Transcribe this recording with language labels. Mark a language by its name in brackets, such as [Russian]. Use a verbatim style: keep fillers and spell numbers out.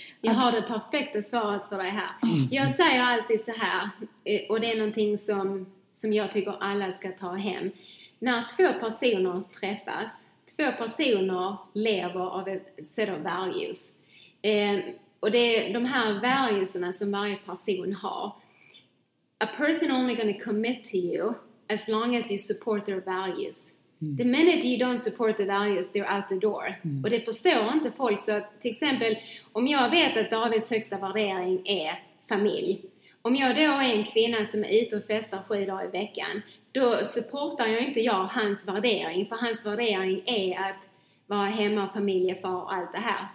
[Swedish] Jag att... har det perfekta svaret för dig här. Mm. Jag säger alltid så här, och det är någonting som, som jag tycker alla ska ta hem. När två personer träffas, två personer lever av ett [English] set of values. [Swedish] Eh, och det är de här valueserna som varje person har. [English] A person only going to commit to you as long as you support their values. The minute you don't support the values, they're out the door. [Swedish] Mm. Och det förstår inte folk. Så att, till exempel, om jag vet att Davids högsta värdering är familj. Om jag då är en kvinna som är ute och festar sju dagar i veckan, då supportar jag inte jag hans värdering. För hans värdering är att vara hemma, familjefar och allt det här.